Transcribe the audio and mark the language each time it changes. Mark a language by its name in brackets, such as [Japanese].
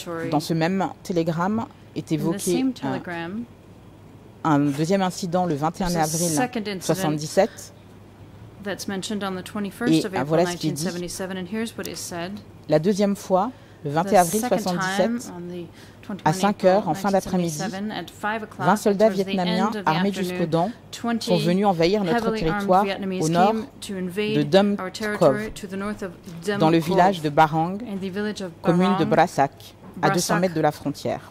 [French] Dans ce même télégramme est évoqué un deuxième incident le 21 avril 1977. [English] That's mentioned on the 21st of April 1977, and here's what is said. [French] La deuxième fois, le 21 avril 1977, à 5 heures, en fin d'après-midi, 20 soldats vietnamiens armés jusqu'aux dents sont venus envahir notre territoire au nord de Dum Cov, dans le village de Barang, commune de Brassac, à 200 mètres de la frontière.